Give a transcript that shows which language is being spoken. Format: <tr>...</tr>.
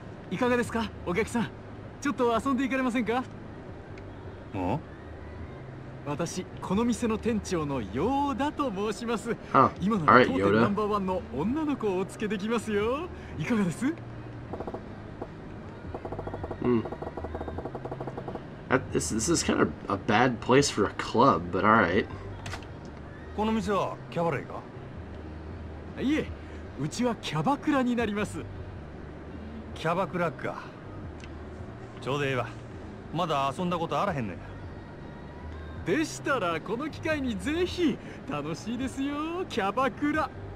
<ja>いかがですか、お客さん。ちょっと遊んでいかれませんか。お、私この店の店長のヨーダと申しますよ。今の当店ナンバーワンの女の子をおつけできますよ。いかがです?</ja> <en>This is kind of a bad place for a club, but all right.</en> <ja>この店はキャバレーか? いえ、うちはキャバクラになります。キャバクラか。ちょうどええわ。まだ遊んだことあらへんねや。でしたら、この機会にぜひ楽しいですよ、キャバクラ。</ja>